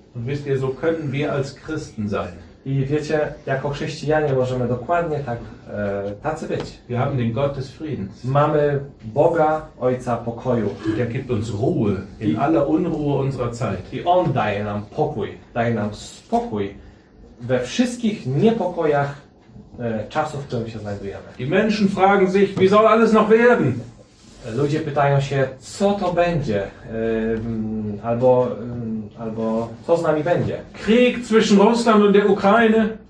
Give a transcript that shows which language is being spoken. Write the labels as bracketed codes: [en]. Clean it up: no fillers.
[de] Und wisst ihr, so können wir als Christen sein. [pl] I wiecie, jako chrześcijanie możemy dokładnie tak tacy być. [de] Wir haben den Gott des Friedens. [pl] Mamy Boga, Ojca pokoju. [de] Der gibt uns Ruhe in aller Unruhe unserer Zeit. [pl] I on daje nam pokój, daje nam spokój we wszystkich niepokojach czasów, w którym się znajdujemy. [de] Die Menschen fragen sich, wie soll alles noch werden? [pl] Ludzie pytają się, co to będzie, albo co z nami będzie. [de] Krieg zwischen Russland und der Ukraine.